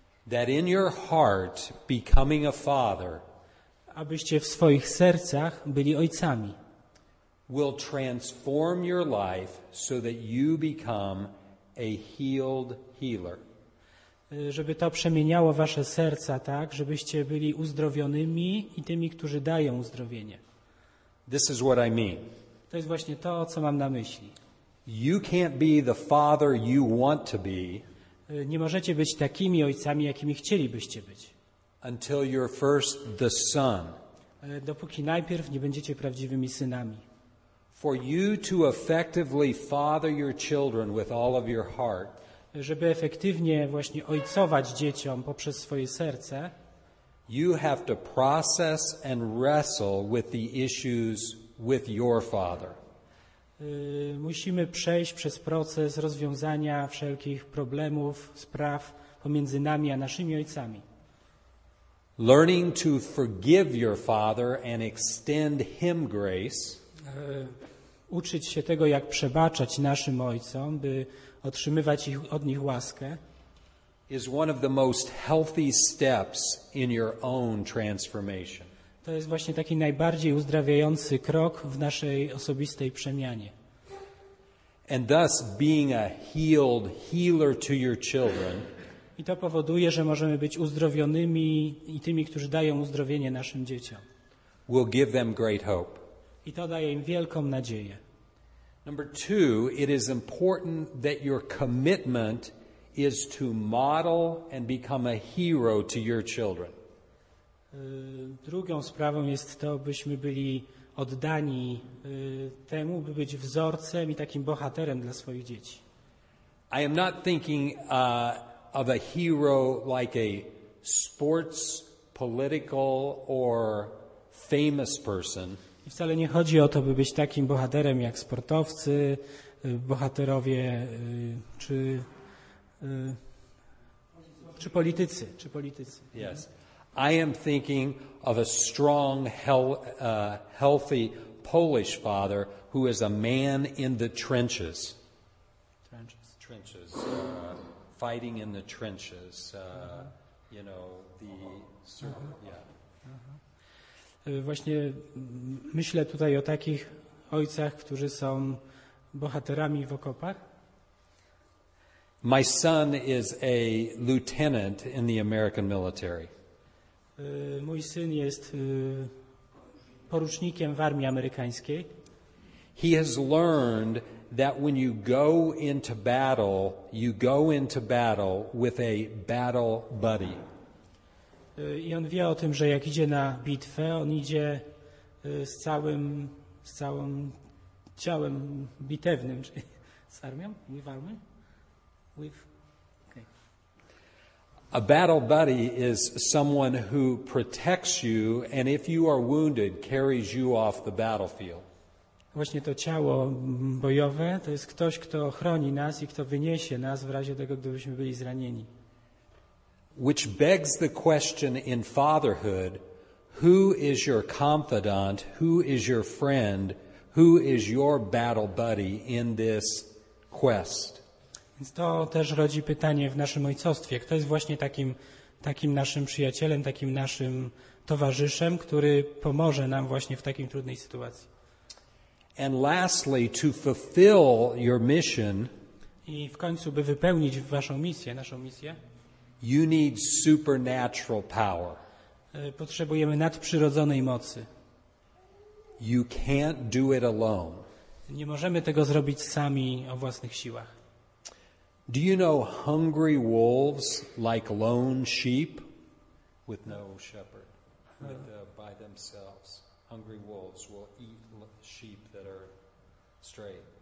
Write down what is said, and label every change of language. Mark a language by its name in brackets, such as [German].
[English] That in your heart becoming a father, [Polish] abyście w swoich sercach byli ojcami, [English] will transform your life so that you become a healed healer. [Polish] żeby to przemieniało wasze serca, tak, żebyście byli uzdrowionymi i tymi, którzy dają uzdrowienie. [English] This is what I mean. [Polish] To jest właśnie to, co mam na myśli. [English] You can't be the father you want to be. [Polish] Nie możecie być takimi ojcami, jakimi chcielibyście być. [English] Until you're first the son. [Polish] Dopóki najpierw nie będziecie prawdziwymi synami. [English] For you to effectively father your children with all of your heart. [Polish] Żeby efektywnie właśnie ojcować dzieciom poprzez swoje serce. [English] You have to process and wrestle with the issues with your father. [Polish] Musimy przejść przez proces rozwiązania wszelkich problemów, spraw pomiędzy nami a naszymi ojcami. [English] Learning to forgive your father and extend him grace. [Polish] Uczyć się tego, jak przebaczać naszym ojcom, by otrzymywać ich, od nich łaskę. [English] Is one of the most healthy steps in your own transformation. [Polish] To jest właśnie taki najbardziej uzdrawiający krok w naszej osobistej przemianie. [English] And thus being a healed healer to your children. [Polish] I to powoduje, że możemy być uzdrowionymi i tymi, którzy dają uzdrowienie naszym dzieciom. [English] Will give them great hope. [Polish] I to daje im wielką nadzieję. [English] Number two, it is important that your commitment is to model and become a hero to your children. [Polish] Drugą sprawą jest to, byśmy byli oddani temu, by być wzorcem i takim bohaterem dla swoich dzieci. [English] I am not thinking of a hero like a sports, political or famous person. [Polish] I wcale nie chodzi o to, by być takim bohaterem jak sportowcy, bohaterowie czy politycy. [English] Yes. I am thinking of a strong, healthy Polish father who is a man in the trenches. Trenches. Fighting in the trenches. You know, the uh-huh. Yeah. [Polish] Właśnie myślę tutaj o takich ojcach, którzy są bohaterami w okopach. [English] My son is a lieutenant in the American military. [Polish] Mój syn jest porucznikiem w armii amerykańskiej. [English] He has learned that when you go into battle, you go into battle with a battle buddy. [Polish] I on wie o tym, że jak idzie na bitwę, on idzie z całym ciałem bitewnym, czyli z armią, [English] with army, with. Okay. A battle buddy is someone who protects you and if you are wounded, carries you off the battlefield. [Polish] Właśnie to ciało bojowe to jest ktoś, kto chroni nas i kto wyniesie nas w razie tego, gdybyśmy byli zranieni. [English] Which begs the question in fatherhood, who is your confidant, who is your friend, who is your battle buddy in this quest? [Polish] Więc to też rodzi pytanie w naszym ojcostwie. Kto jest właśnie takim naszym przyjacielem, takim naszym towarzyszem, który pomoże nam właśnie w takiej trudnej sytuacji? [English] And lastly, to fulfill your mission. [Polish] I w końcu, by wypełnić waszą misję, naszą misję. [English] You need supernatural power. [Polish] Potrzebujemy nadprzyrodzonej mocy. [English] You can't do it alone. [Polish] Nie możemy tego zrobić sami o własnych siłach. [English] Do you know hungry wolves like lone sheep with no shepherd by themselves? Hungry wolves will eat sheep that are stray.